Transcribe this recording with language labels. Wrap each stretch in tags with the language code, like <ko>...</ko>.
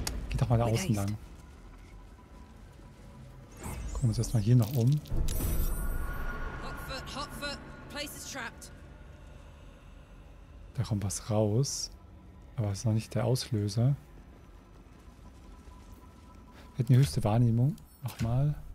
<de>Geh doch mal da außen lang. Gucken wir uns erstmal hier nach oben.</de> <en>Hotfoot, Hotfoot, place is trapped.</en> <de>Da kommt was raus, aber es ist noch nicht der Auslöser. Wir hätten die höchste Wahrnehmung. Nochmal.</de>